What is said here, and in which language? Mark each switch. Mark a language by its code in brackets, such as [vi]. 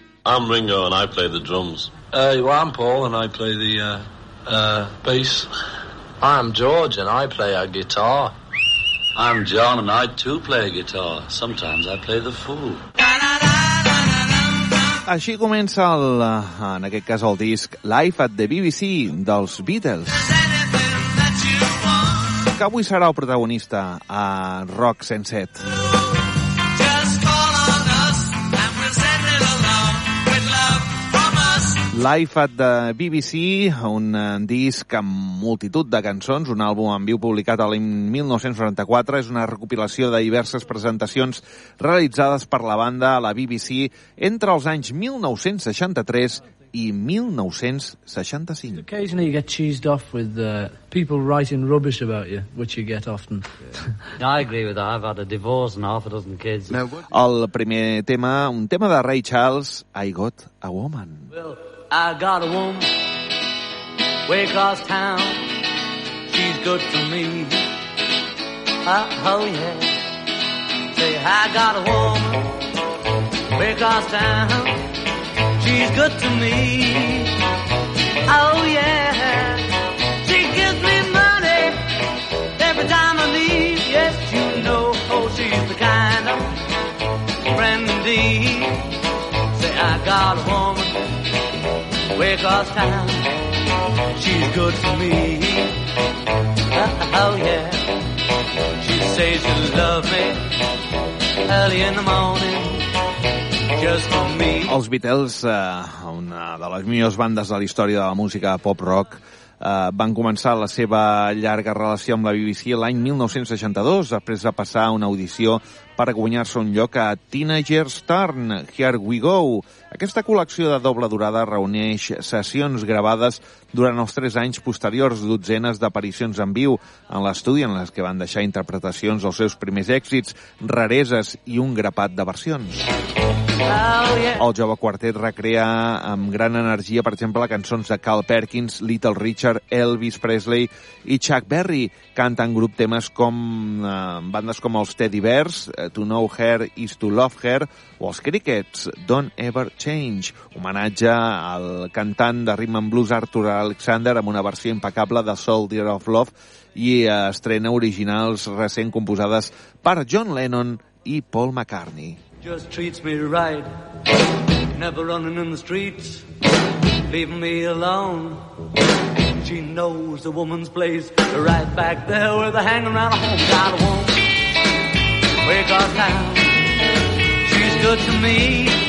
[en] I'm Ringo and I play the drums. Well, I'm Paul and I play the bass. I'm George and I play a guitar. I'm John and I too play a guitar. Sometimes I play the fool. [ca] Així comença en aquest cas el disc Live at the BBC dels Beatles. Que avui serà el protagonista a Rock 107. Live at the BBC, un disc amb multitud de cançons, un àlbum en viu publicat el 1994, és una recopilació de diverses presentacions realitzades per la banda a la BBC entre els anys 1963 i 1965. [en] Occasionally you get cheesed off with people writing rubbish about you, which you get often. Yeah. I agree with that. I've had a divorce and half a dozen kids. [ca] El primer tema, un tema de Ray Charles, I Got a Woman. [en] I got a woman way across town. She's good for me. Oh yeah. Say, I got a woman way across town. She's good to me. Oh yeah. She gives me money every time I leave. Yes, you know, oh, she's the kind of friendly. Say, I got a woman way across town. She's good for me. Oh yeah. She says she loves me early in the morning. [ca] Els Beatles, una de les millors bandes de la història de la música pop-rock, van començar la seva llarga relació amb la BBC l'any 1962, després de passar una audició per guanyar-se un lloc a Teenager's Turn, Here We Go. Aquesta col·lecció de doble durada reuneix sessions gravades durant els 3 anys posteriors, dotzenes d'aparicions en viu en l'estudi en les que van deixar interpretacions dels seus primers èxits, rareses i un grapat de versions. El jove quartet recrea amb gran energia, per exemple, cançons de Carl Perkins, Little Richard, Elvis Presley i Chuck Berry. Canten grup temes com bandes com els Teddy Bears, To Know Her Is To Love Her, o els Crickets, Don't Ever Change. Homenatge al cantant de rhythm and blues Arthur Alexander amb una versió impecable de Soldier of Love i estrena originals recent composades per John Lennon i Paul McCartney. [en] Just treats me right, never running in the streets, leaving me alone. She knows the woman's place, right back there where they hang around a home. Got a woman, way across town, she's good to me.